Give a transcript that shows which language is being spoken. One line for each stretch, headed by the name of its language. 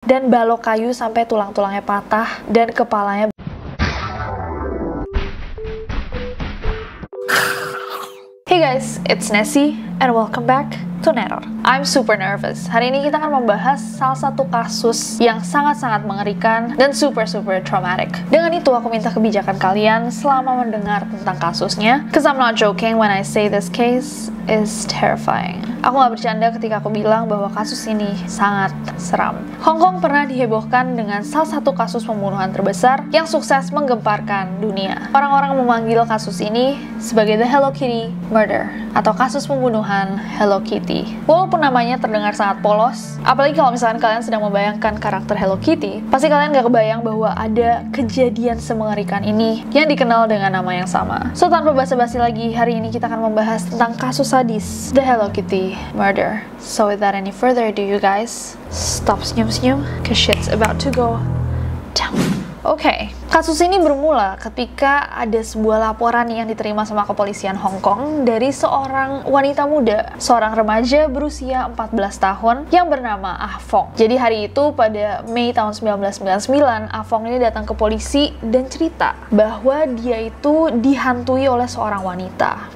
Indonesian: dan balok kayu sampai tulang-tulangnya patah dan kepalanya.
English: Hey guys, it's Nessie and welcome back to Neror. I'm super nervous.
Indonesian: Hari ini kita akan membahas salah satu kasus yang sangat-sangat mengerikan dan super-super traumatic. Dengan itu, aku minta kebijakan kalian selama mendengar tentang kasusnya.
English: Because I'm not joking when I say this case is terrifying.
Indonesian: Aku gak bercanda ketika aku bilang bahwa kasus ini sangat seram. Hong Kong pernah dihebohkan dengan salah satu kasus pembunuhan terbesar yang sukses menggemparkan dunia. Orang-orang memanggil kasus ini sebagai The Hello Kitty Murder atau kasus pembunuhan Hello Kitty. Walaupun namanya terdengar sangat polos, apalagi kalau misalkan kalian sedang membayangkan karakter Hello Kitty, pasti kalian gak kebayang bahwa ada kejadian semengerikan ini yang dikenal dengan nama yang sama. So, tanpa basa-basi lagi, hari ini kita akan membahas tentang kasus sadis The Hello Kitty Murder.
English: So, without any further ado, you guys, stop
Indonesian: senyum-senyum,
English: cause shit's about to go down. Okay.
Indonesian: Kasus ini bermula ketika ada sebuah laporan yang diterima sama kepolisian Hong Kong dari seorang wanita muda, seorang remaja berusia 14 tahun yang bernama Ah Fong. Jadi hari itu pada Mei tahun 1999, Ah Fong ini datang ke polisi dan cerita bahwa dia itu dihantui oleh seorang wanita.